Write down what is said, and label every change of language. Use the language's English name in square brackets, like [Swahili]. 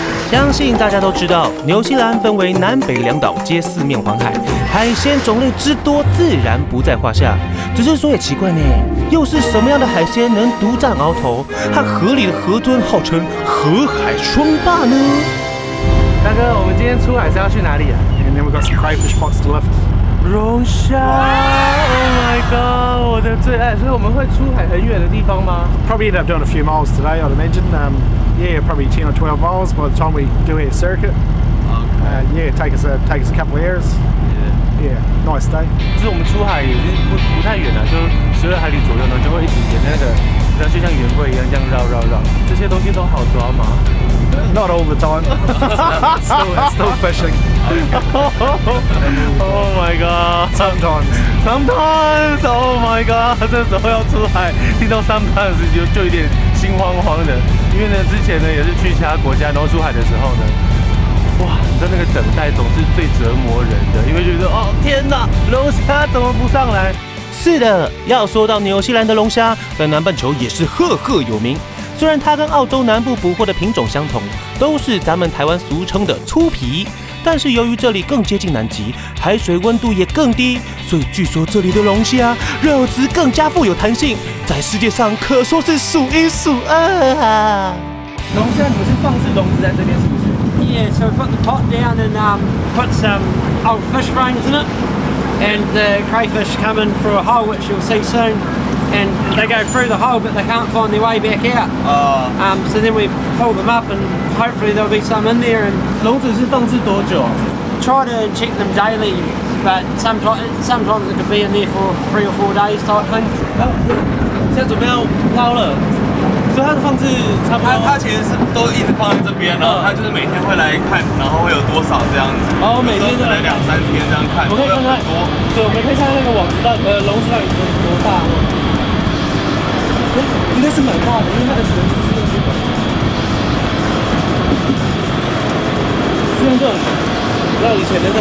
[Chinese] 相信大家都知道，纽西兰分为南北两岛，皆四面环海。海鲜种类之多，自然不在话下。只是说也奇怪呢，又是什么样的海鲜能独占鳌头，和河里的河豚号称河海双霸呢？大哥，我们今天出海是要去哪里啊？ [English] And then we got some crayfish pots to left. [Chinese] 龙虾 ， [English] Oh my god， [Chinese] 我的最爱。所以我们会出海很远的地方吗 [English] ？Probably end up doing a few miles today, I'd imagine. Yeah, probably 10 or 12 miles by the time we do our circuit. Okay. Take us a couple of hours. Yeah, nice day. [Chinese] 就是我们出海也是不太远了、啊，就十二海里左右呢，就会一直沿那个，然后就像圆规一样这样绕绕绕。这些东西都好抓吗 [English] ？Not all the time. still fishing. Oh my god. Sometimes. Oh my god. [Chinese] 这时候要出海，听到 sometimes 就有点心慌慌的，因为呢，之前呢也是去其他国家，然后出海的时候呢。哇，你知道那个等待总是最折磨人的，因为就是说，哦天哪，龙虾怎么不上来？是的，要说到纽西兰的龙虾，在南半球也是赫赫有名。虽然它跟澳洲南部捕获的品种相同，都是咱们台湾俗称的粗皮，但是由于这里更接近南极，海水温度也更低，所以据说这里的龙虾肉质更加富有弹性，在世界上可说是数一数二啊！龙虾你们是放置笼子在这边是不是？ [English] Yeah, so we put the pot down and put some old fish frames in it, and the crayfish come in through a hole, which you'll see soon, and they go through the hole, but they can't find their way back out. So then we pull them up, and hopefully there'll be some in there. And [Chinese] 笼子是放置多久？ [English] Try to check them daily, but sometimes it could be in there for 3 or 4 days type thing. [Chinese] 现在准备要捞了。所以它的放置差不多，它其实是都一直放在这边，然后它就是每天会来看，然后会有多少这样子。哦，每天可能两三天这样看。我可以看看，对，我们可以看那个网子到底笼子到底有多大。应该是蛮大的，因为它的绳子是用这个，是用这种，像以前的那种